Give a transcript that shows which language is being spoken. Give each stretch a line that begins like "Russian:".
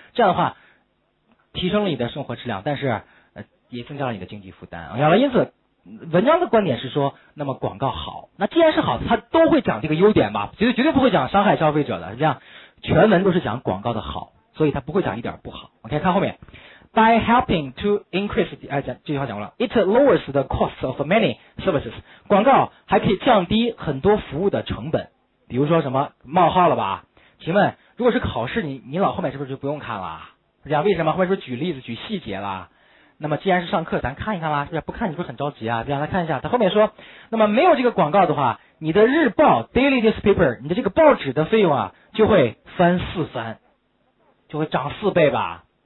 Chinese: 这样的话提升了你的生活质量，但是也增加了你的经济负担。好了，因此文章的观点是说，那么广告好，那既然是好，它都会讲这个优点吧，绝对不会讲伤害消费者的，是这样。全文都是讲广告的好，所以它不会讲一点不好。
English: OK，
Chinese: 看后面
English: by helping to increase
Chinese: 这句话讲过了，
English: it lowers the cost of many services。
Chinese: 广告还可以降低很多服务的成本，比如说什么冒号了吧，请问如果是考试，你老后面是不是就不用看了，是这样。为什么后面是不是举例子举细节了？那么既然是上课，咱看一看啦，是不是？不看你不是很着急啊？这样来看一下，他后面说，那么没有这个广告的话，你的日报 daily newspaper， 你的这个报纸的费用啊，就会翻四番，就会涨四倍吧？